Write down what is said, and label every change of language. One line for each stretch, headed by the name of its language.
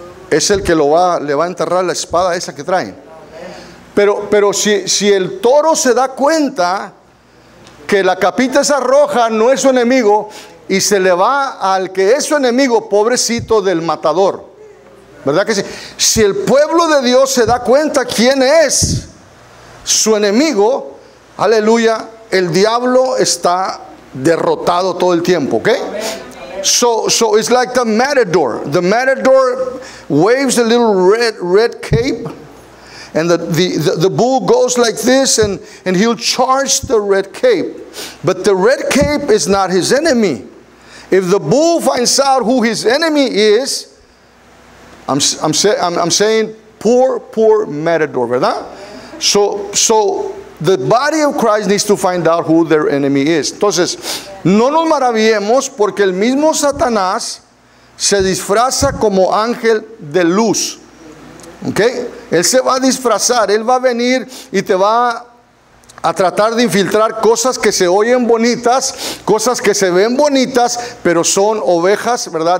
Spanish: Es el que le va a enterrar la espada esa que traen. Pero si el toro se da cuenta que la capita esa roja no es su enemigo y se le va al que es su enemigo, pobrecito del matador. ¿Verdad que sí? Si el pueblo de Dios se da cuenta quién es su enemigo, aleluya, el diablo está derrotado todo el tiempo, ¿ok?
English: So it's like the matador. The matador waves a little red cape, and the bull goes like this, and he'll charge the red cape. But the red cape is not his enemy. If the bull finds out who his enemy is, I'm saying poor matador, ¿verdad? So the body of Christ needs to find out who their enemy is.
Spanish: Entonces, no nos maravillemos porque el mismo Satanás se disfraza como ángel de luz. Okay? Él se va a disfrazar, él va a venir y te va a tratar de infiltrar cosas que se oyen bonitas, cosas que se ven bonitas, pero son ovejas, ¿verdad?